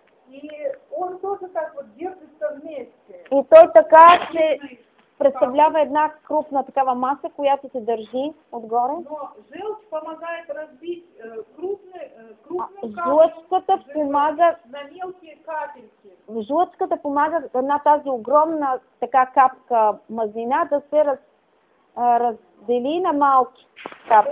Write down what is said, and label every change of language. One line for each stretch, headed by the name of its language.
Russian: И он тоже так вот держится вместе.
Bulgarian: И той така се представлява една крупна такава маса, която се държи отгоре.
Russian: Но жълч помагает разбить крупные
Bulgarian: жлъчката помага
Russian: на мелкие капельки.
Bulgarian: Жлъчката помага на тази огромна така капка мазнина да се раздели на малки капки.